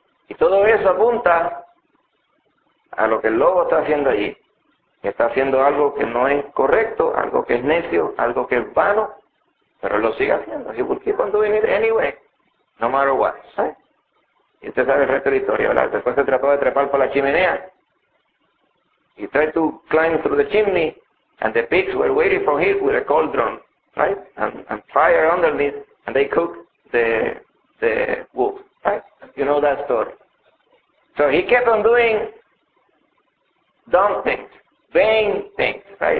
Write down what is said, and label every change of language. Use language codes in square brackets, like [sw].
[es] Y todo eso apunta a lo que el lobo está haciendo allí. Está haciendo algo que no es correcto, algo que es necio, algo que es vano, pero lo sigue haciendo. [en] He will keep on doing it anyway, no matter what. [es] Right? Y usted sabe el resto de la historia, ¿verdad? Después se trató de trepar por la chimenea. [en] He tried to climb through the chimney, and the pigs were waiting for him with a cauldron, right? And fire underneath, and they cooked the wolf, right? You know that story. So he kept on doing dumb things, vain things, right?